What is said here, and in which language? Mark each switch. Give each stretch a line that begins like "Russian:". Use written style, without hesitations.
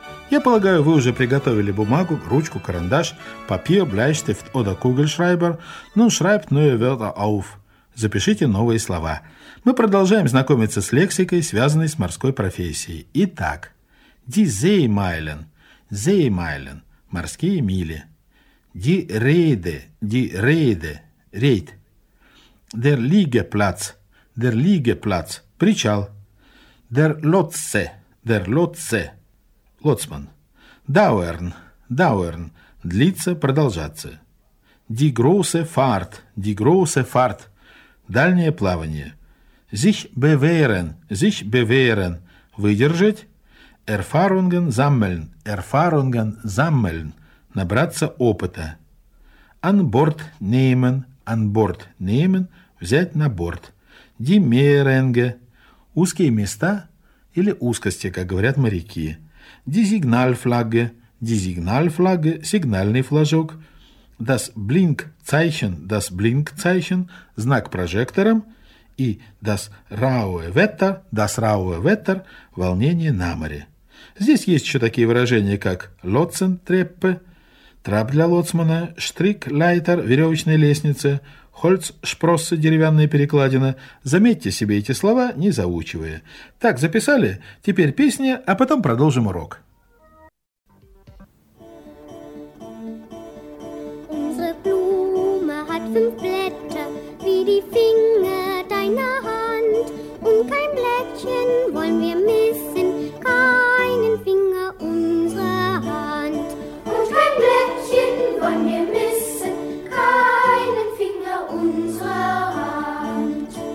Russian: Я полагаю, вы уже приготовили бумагу, ручку, карандаш,
German: Papier, Bleistift oder Kugelschreiber. Nun schreibt neue Wörter auf.
Russian: Запишите новые слова. Мы продолжаем знакомиться с лексикой, связанной с морской профессией.
German: Итак, die Seemeilen, Seemeilen,
Russian: морские мили.
German: Die Reede, рейд. Der Liegeplatz, причал. Der Lotse, лоцман. Dauern, dauern,
Russian: длиться, продолжаться.
German: Die große Fahrt,
Russian: дальнее плавание.
German: Sich bewähren, выдержать. Erfahrungen sammeln,
Russian: набраться опыта.
German: An Bord nehmen,
Russian: взять на борт.
German: Die Meerenge,
Russian: узкие места или узкости, как говорят моряки.
German: Die Signalflagge,
Russian: сигнальный флажок.
German: Das Blinkzeichen,
Russian: знак прожектором. И
German: das raue Wetter,
Russian: волнение на море. Здесь есть еще такие выражения, как Lotsentreppe, трап для лоцмана, Strickleiter, веревочная лестница, Holzsprosse, деревянная перекладина. Заметьте себе эти слова, не заучивая. Так, записали? Теперь песня, а потом продолжим урок.
German: Fünf Blätter wie die Finger deiner Hand und kein Blättchen wollen wir missen, keinen Finger unserer Hand. Und kein Blättchen wollen wir missen, keinen Finger unserer Hand.